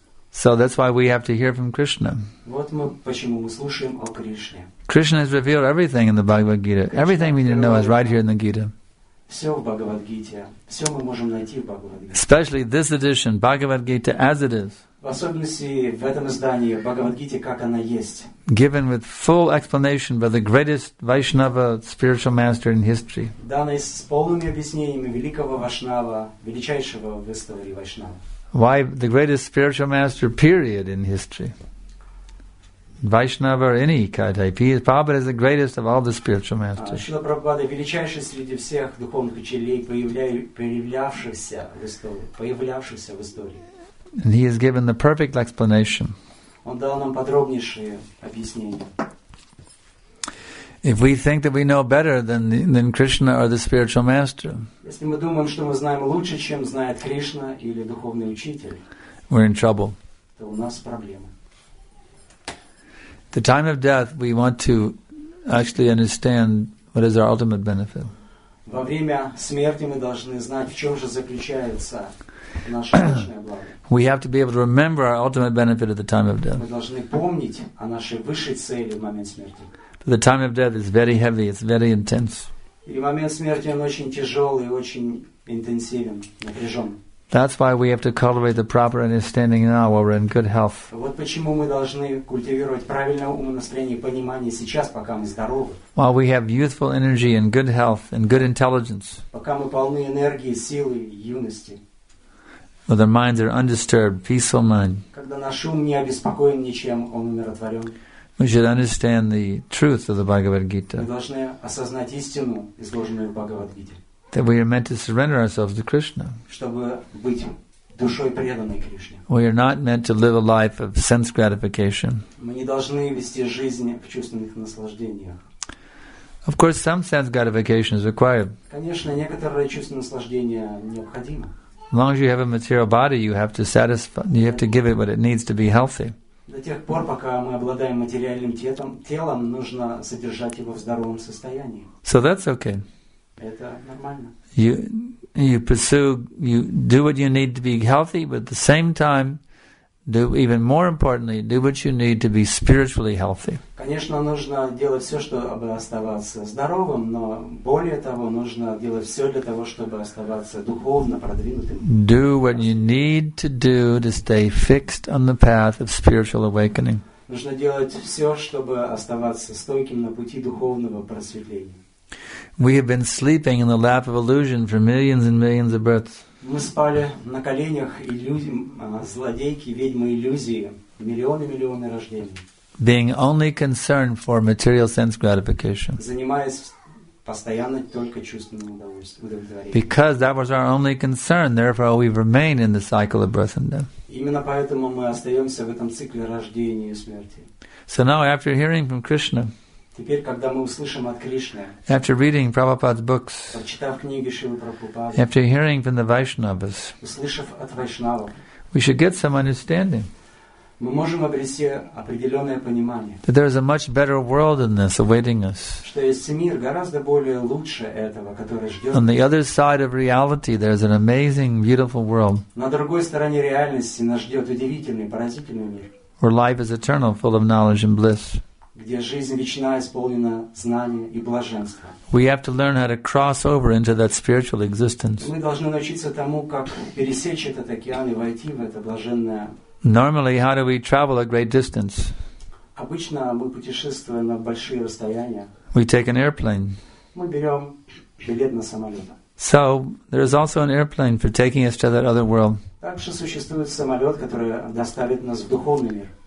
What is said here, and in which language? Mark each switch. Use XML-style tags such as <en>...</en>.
<en>So that's why we have to hear from Krishna.</en> <ru>Вот мы почему мы слушаем о Кришне.</ru> <en>Krishna has revealed everything in the Bhagavad Gita. Krishna, everything we need to know is right here in the Gita.</en> <ru>Все в Бхагавад Гите. Все мы можем найти в Бхагавад Гите.</ru> <en>Especially this edition, Bhagavad Gita as it is.</en> <ru>В особенности в этом издании Бхагавад Гите, как она есть.</ru> <en>Given with full explanation by the greatest Vaishnava spiritual master in history.</en> <ru>Данной с полными объяснениями великого Вашнава, величайшего в истории Вашнава.</ru> <en>Why the greatest spiritual master period in history? Vaishnava or any kind type, he is Prabhupada is the greatest of all the spiritual masters.</en> <ru>Шрила Прабхупада величайший среди всех духовных учителей, появлявшихся в истории.</ru> <en>And he has given the perfect explanation.</en> <ru>Он дал нам подробнейшие объяснения.</ru> <en>If we think that we know better than Krishna or the spiritual master,</en> <ru>если мы думаем, что мы знаем лучше, чем знает Кришна или духовный учитель,</ru> <en>we're in trouble.</en> <ru>То у нас проблемы.</ru> <en>The time of death, we want to actually understand what is our ultimate benefit.</en> <ru>Во время смерти мы должны знать, в чем же заключается наше вечное благо.</ru> <en>We have to be able to remember our ultimate benefit at the time of death.</en> <ru>Мы должны помнить о нашей высшей цели в момент смерти.</ru> <en>The time of death is very heavy, it's very intense.</en> <ru>И момент смерти, он очень тяжелый, очень интенсивен, напряжен.</ru> <en>That's why we have to cultivate the proper understanding now while we're in good health.</en> <ru>Вот почему мы должны культивировать правильное умонастроение и понимание сейчас, пока мы здоровы.</ru> <en>While we have youthful energy and good health and good intelligence.</en> <ru>Пока мы полны энергии, силы, юности.</ru> <en>With our minds are undisturbed, peaceful mind.</en> <ru>Когда наш ум не обеспокоен ничем, он умиротворен.</ru> <en>We should understand the truth of the Bhagavad Gita.</en> <ru>Мы должны осознать истину, изложенную в Бхагавад-гите.</ru> <en>That we are meant to surrender ourselves to Krishna.</en> <ru>Чтобы быть душой преданной Кришне.</ru> <en>We are not meant to live a life of sense gratification.</en> <ru>Мы не должны вести жизнь в чувственных наслаждениях.</ru> <en>Of course, some sense gratification is required.</en> <ru>Конечно, некоторое чувственное наслаждение необходимо.</ru> <en>As long as you have a material body, you have to satisfy, you have to give it what it needs to be healthy.</en> <ru>До тех пор, пока мы обладаем материальным телом, нужно содержать его в здоровом состоянии.</ru> <en>So that's okay.</en> <ru>Это нормально.</ru> <en>You pursue, you do what you need to be healthy, but at the same time, do even more importantly, do what you need to be spiritually healthy.</en> <ru>Конечно, нужно делать все, чтобы оставаться здоровым, но более того, нужно делать все для того, чтобы оставаться духовно продвинутым.</ru> <en>Do what you need to do to stay fixed on the path of spiritual awakening.</en> <ru>Нужно делать все, чтобы оставаться стойким на пути духовного просветления.</ru> <en>We have been sleeping in the lap of illusion for millions and millions of births.</en> <ru>Мы спали на коленях злодейки, ведьмы иллюзии, миллионы рождений.</ru> <en>Being only concerned for material sense gratification.</en> <ru>Занимаясь постоянно только чувственным удовлетворением.</ru> <en>Because that was our only concern, therefore we remain in the cycle of birth and death.</en> <ru>Именно поэтому мы остаемся в этом цикле рождения и смерти.</ru> <en>So now after hearing from Krishna,</en> <ru>теперь, когда мы услышим от Кришны,</ru> <en>after reading Prabhupada's books,</en> <ru>прочитав книги Шрилы Прабхупады,</ru> <en>after hearing from the Vaishnavas,</en> <ru>услышав от Вайшнава,</ru> <en>we should get some understanding.</en> <ru>Мы можем обрести определенное понимание,</ru> <en>that there is a much better world than this awaiting us.</en> <ru>Что есть мир гораздо более лучше этого, который ждет.</ru> <en>On the other side of reality, there is an amazing, beautiful world.</en> <ru>На другой стороне реальности нас ждет удивительный, поразительный мир.</ru> <en>Where life is eternal, full of knowledge and bliss.</en> <ru>Где жизнь вечна, исполнена знания и блаженства.</ru> <en>We have to learn how to cross over into that spiritual existence.</en> <ru>Мы должны научиться тому, как пересечь этот океан и войти в это блаженное.</ru> <en>Normally, how do we travel a great distance?</en> <ru>Обычно мы путешествуем на большие расстояния.</ru> <en>We take an airplane.</en> <ru>Мы берем билет на самолет.</ru> <en>So there is also an airplane for taking us to that other world.</en> <ru>Также существует самолет, который доставит нас в духовный мир.</ru>